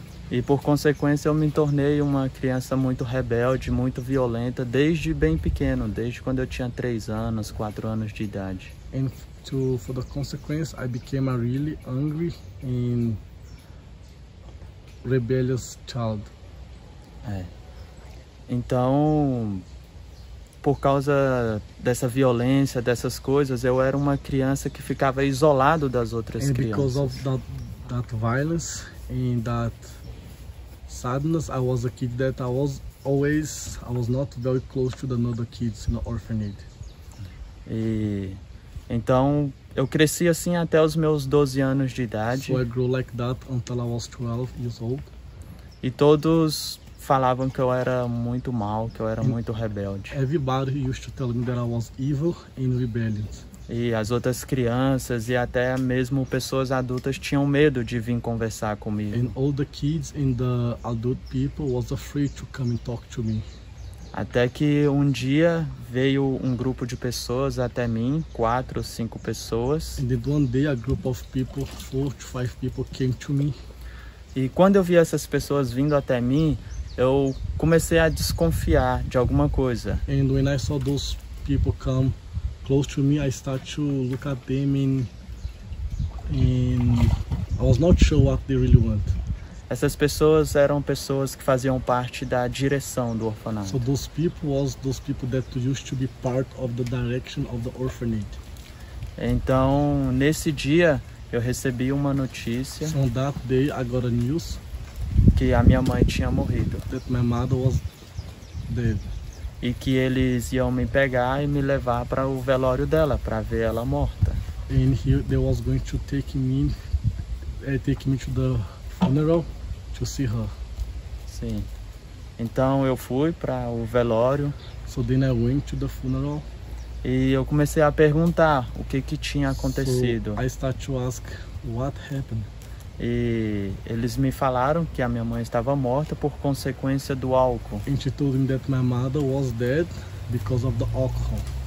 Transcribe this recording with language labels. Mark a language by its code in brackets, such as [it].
[pt] E por consequência eu me tornei uma criança muito rebelde, muito violenta, desde bem pequeno, desde quando eu tinha 3 anos, 4 anos de idade. [en] And for the consequence, I became a really angry and rebellious child. [pt] É. Então, por causa dessa violência, dessas coisas, eu era uma criança que ficava isolado das outras [en] and [pt] crianças. [en] And because of that violence and that sadness, I was a kid that I was not very close to the other kids in the orphanage. [pt] E então eu cresci assim até os meus 12 anos de idade. [en] So I grew like that until I was 12 years old. [pt] E todos falavam que eu era muito mal, que eu era muito rebelde. [en] Everybody used to tell me that I was evil and rebellious. [pt] E as outras crianças e até mesmo pessoas adultas tinham medo de vir conversar comigo. [en] And all the kids and the adult people was afraid to come and talk to me. [pt] Até que um dia veio um grupo de pessoas até mim, 4 ou 5 pessoas. [en] And then one day a group of people, 4 to 5 people came to me. [pt] E quando eu vi essas pessoas vindo até mim, eu comecei a desconfiar de alguma coisa. [en] And when I saw those people come close to me, I start to look at them and I was not sure what they really want. [pt] Essas pessoas eram pessoas que faziam parte da direção do orfanato. [en] So those people was those people that used to be part of the direction of the orphanage. [pt] Então, nesse dia, eu recebi uma notícia. [en] So on that day, I got a news. [pt] Que a minha mãe tinha morrido. [en] That my mother was dead. [pt] E que eles iam me pegar e me levar para o velório dela, para ver ela morta. [en] And they was going to take me to the funeral to see her. [pt] Sim. Então eu fui para o velório. [en] So then I went to the funeral. [pt] E eu comecei a perguntar o que tinha acontecido. [en] So I start to ask what happened. [pt] E eles me falaram que a minha mãe estava morta por consequência do álcool. [en] And she told me that my mother was dead because of the alcohol.